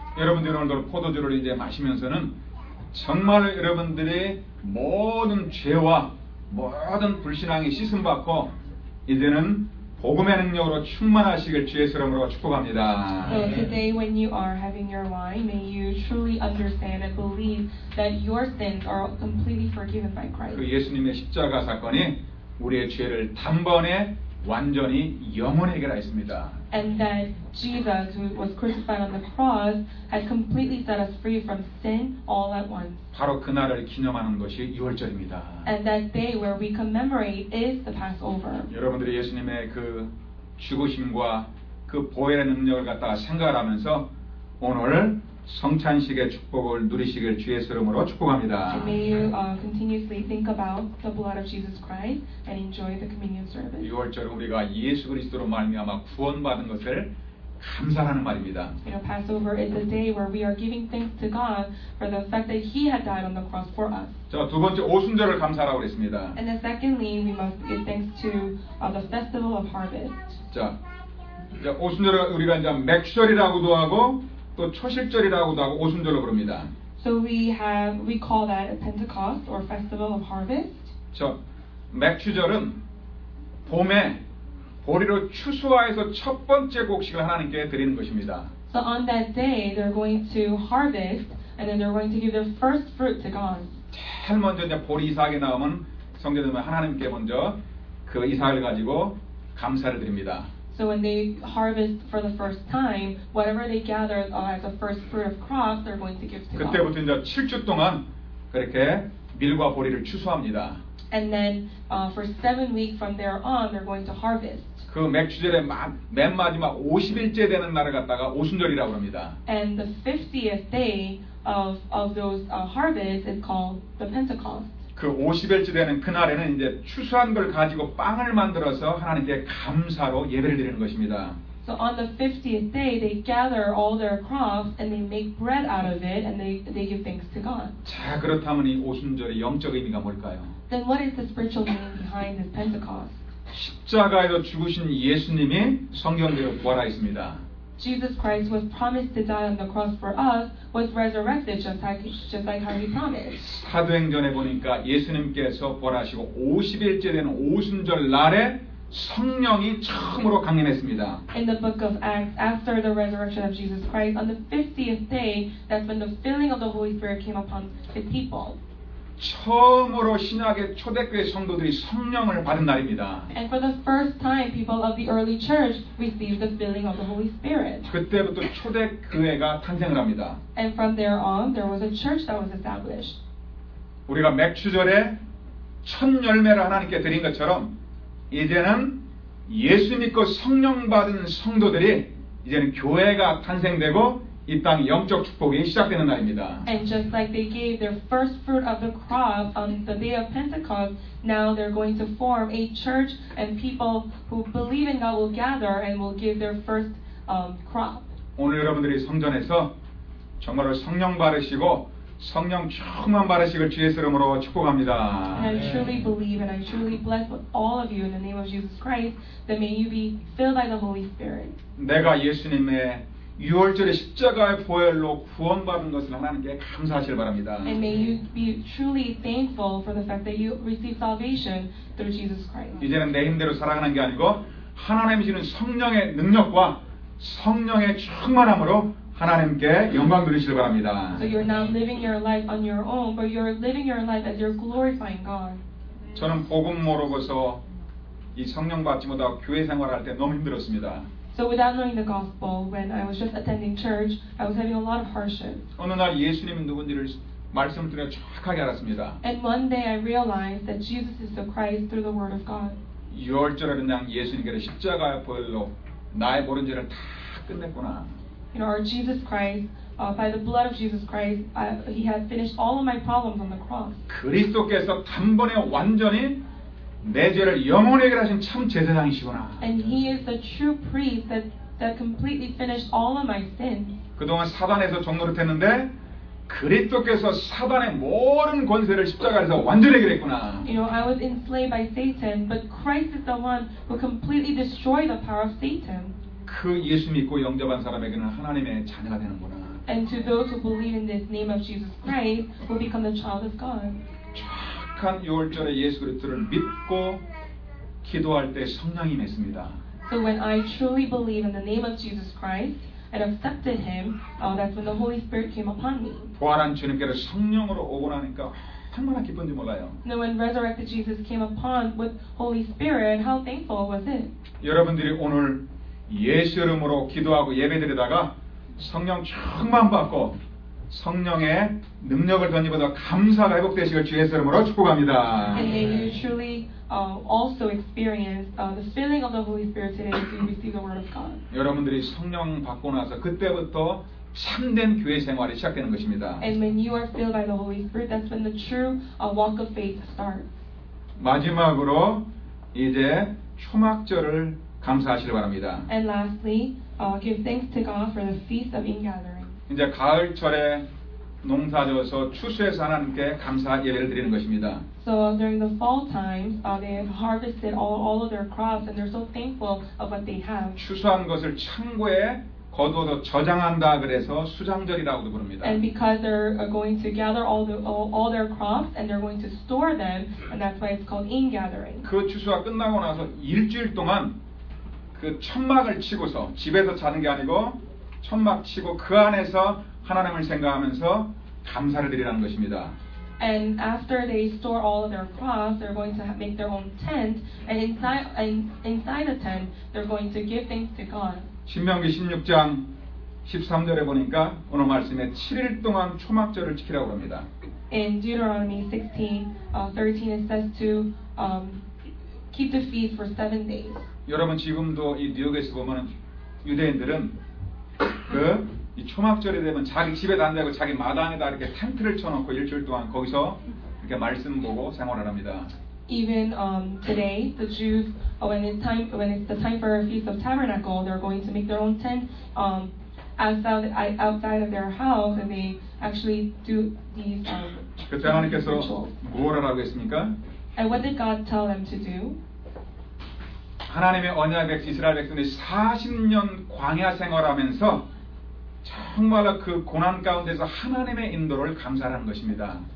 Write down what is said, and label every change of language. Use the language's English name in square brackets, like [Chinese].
[Korean] 여러분들이 오늘 포도주를 이제 마시면서는 정말 여러분들의 모든 죄와 모든 불신앙이 씻음 받고 이제는 복음의 능력으로 충만하시길 주의 이름으로 축복합니다. [English] So today when you are having your wine, may you truly understand and believe that your sins are completely forgiven by Christ. [Korean] 그 예수님의 십자가 사건이 우리의 죄를 단번에 완전히 영원히 해결하였습니다. [English] And that Jesus, who was crucified on the cross, has completely set us free from sin all at once. [Korean] 바로 그 날을 기념하는 것이 유월절입니다. [English] And that day where we commemorate is the Passover. [Korean] 여러분들이 예수님의 그 죽으심과 그 보혈의 능력을 갖다가 생각하면서 오늘 성찬식의 축복을 누리시길 주의 이름으로 축복합니다. [English] May you continuously think about the blood of Jesus Christ and enjoy the communion service. [Korean] 유월절 우리가 예수 그리스도로 말미암아 구원받은 것을 감사하는 말입니다. [English] You know, Passover is a day where we are giving thanks to God for the fact that He had died on the cross for us. [Korean] 자, 두 번째 오순절을 감사하라고 했습니다. [English] And then secondly, we must give thanks to the festival of harvest. [Korean] 자, 이제 오순절을 우리가 이제 맥절이라고도 하고 또 초실절이라고도 하고 오순절로 부릅니다. [English] So we call that a Pentecost or Festival of Harvest. [Korean] 저 맥추절은 봄에 보리로 추수하여서 첫 번째 곡식을 하나님께 드리는 것입니다. [English] So on that day they're going to harvest and then they're going to give their first fruit to God. [Korean] 제일 먼저 이제 보리 이삭이 나오면 성도들은 하나님께 먼저 그 이삭을 가지고 감사를 드립니다. [English] So when they harvest for the first time, whatever they gather as the first fruit of crop, they're going to give to God. [Korean] 그때부터 이제 7주 동안 그렇게 밀과 보리를 추수합니다. [English] And then for 7 weeks from there on, they're going to harvest. [Korean] 그 맥추절의 맨 마지막 50일째 되는 날을 갖다가 오순절이라고 합니다. [English] And the 50th day of those harvest is called the Pentecost. [Korean] 그 50일째 되는 그날에는 이제 추수한 걸 가지고 빵을 만들어서 하나님께 감사로 예배를 드리는 것입니다. [English] So on the 50th day they gather all their crops and they make bread out of it and they give thanks to God. [Korean] 자, 그렇다면 이 오순절의 영적 의미가 뭘까요? [English] Then what is the spiritual meaning behind this Pentecost? [Korean] 십자가에서 죽으신 예수님이 성경대로 부활하였습니다. [English] Jesus Christ was promised to die on the cross for us, was resurrected just like how he promised. [Korean] 사도행전에 보니까 예수님께서 부활하시고 50일째 되는 오순절 날에 성령이 처음으로 강림했습니다. [English] In the book of Acts, after the resurrection of Jesus Christ, on the 50th day, that's when the filling of the Holy Spirit came upon his people. [Korean] 처음으로 신약의 초대교회 성도들이 성령을 받은 날입니다. [English] And for the first time, people of the early church received the filling of the Holy Spirit. [Korean] 그때부터 초대교회가 탄생을 합니다. [English] And from there on, there was a church that was established. [Korean] 우리가 맥추절에 첫 열매를 하나님께 드린 것처럼 이제는 예수 믿고 성령 받은 성도들이 이제는 교회가 탄생되고 이 땅 영적 축복이 시작되는 날입니다. [English] And just like they gave their first fruit of the crop on the day of Pentecost, now they're going to form a church and people who believe in God will gather and will give their first crop. [Korean] 오늘 여러분들이 성전에서 정말로 성령 받으시고 성령 충만 받으시길 주의 이름으로 축복합니다. [English] And I truly believe and I truly bless all of you in the name of Jesus Christ that may you be filled by the Holy Spirit. [Korean] 내가 예수님의 유월절의 십자가의 보혈로 구원받은 것을 하나님께 감사하시길 바랍니다. [English] And may you be truly thankful for the fact that you received salvation through Jesus Christ. [Korean] 이제는 내 힘대로 살아가는 게 아니고 하나님이시는 성령의 능력과 성령의 충만함으로 하나님께 영광 돌리시길 바랍니다. [English] So you're not living your life on your own, but you're living your life as you're glorifying God. [Korean] 저는 복음 모르고서 이 성령 받지 못하고 교회 생활할 때 너무 힘들었습니다. [English] So without knowing the gospel, when I was just attending church, I was having a lot of hardship. [Korean] 어느 날 예수님은 누군지를 말씀을 통해 정확하게 알았습니다. [English] And one day I realized that Jesus is the Christ through the word of God. [Korean] 유월절에 그냥 예수님께서 십자가의 보혈로 나의 모든 죄를 다 끝냈구나. [English] You know, our Jesus Christ, by the blood of Jesus Christ, He has finished all of my problems on the cross. [Korean] 그리스도께서 단번에 완전히 내 죄를 영원히 해결하신 참 제사장이시구나. [English] And He is the true priest that completely finished all of my sins. [Korean] 그동안 사단에서 종노릇 했는데 그리스도께서 사단의 모든 권세를 십자가에서 완전히 해결했구나. [English] You know, I was enslaved by Satan, but Christ is the one who completely destroyed the power of Satan. [Korean] 그 예수 믿고 영접한 사람에게는 하나님의 자녀가 되는구나. [English] And to those who believe in this name of Jesus Christ will become the child of God. [Korean] 착한 유월절에 예수 그리스도를 믿고 기도할 때 성령이 임했습니다. [English] So when I truly believe in the name of Jesus Christ and accepted Him, that's when the Holy Spirit came upon me. [Korean] 부활한 주님께서 성령으로 오고 나니까 얼마나 기쁜지 몰라요. [English] Now when resurrected Jesus came upon with Holy Spirit, how thankful was it? [Korean] 여러분들이 오늘 예수 이름으로 기도하고 예배드리다가 성령 충만 받고 성령의 능력을 덧입어서 감사가 회복되시길 주의 이름으로 축복합니다. [English] And may you truly also experience the filling of the Holy Spirit today as you receive the Word of God. [Korean] 여러분들이 성령 받고 나서 그때부터 참된 교회 생활이 시작되는 것입니다. [English] And when you are filled by the Holy Spirit, that's when the true walk of faith starts. [Korean] 마지막으로 이제 초막절을 감사하시기 바랍니다. [English] And lastly, give thanks to God for the Feast of Ingathering. [Korean] 이제 가을철에 농사져서 추수해서 하나님께 감사 예배를 드리는 것입니다. [English] So during the fall times, they have harvested all of their crops and they're so thankful of what they have. [Korean] 추수한 것을 창고에 거두어서 저장한다 그래서 수장절이라고도 부릅니다. [English] And because they're going to gather all their crops and they're going to store them, and that's why it's called ingathering. [Korean] 그 추수가 끝나고 나서 일주일 동안 그 천막을 치고서 집에서 자는 게 아니고 천막 치고 그 안에서 하나님을 생각하면서 감사를 드리라는 것입니다. [English] And after they store all of their crops, they're going to make their own tent, and inside the tent, they're going to give thanks to God. [Korean] 신명기 16장 13절에 보니까 오늘 말씀에 7일 동안 초막절을 지키라고 합니다. [English] In Deuteronomy 16:13 it says to keep the feast for 7 days. [Korean] 여러분 지금도 이 뉴욕에서 보면은 유대인들은 그 이 초막절이 되면 자기 집에 단다고 자기 마당에다 이렇게 텐트를 쳐 놓고 일주일 동안 거기서 이렇게 말씀 보고 생활을 합니다. [English] Even today, the Jews, when it's the time for a Feast of Tabernacle, they're going to make their own tent outside of their house, and they actually do these rituals. [Korean] 그때 하나님께서 무엇을 하고 있습니까? [English] And what did God tell them to do? [Korean] 하나님의 언약 백성 이스라엘 백성들이 40년 광야 생활하면서 정말로 그 고난 가운데서 하나님의 인도를 감사하는 것입니다.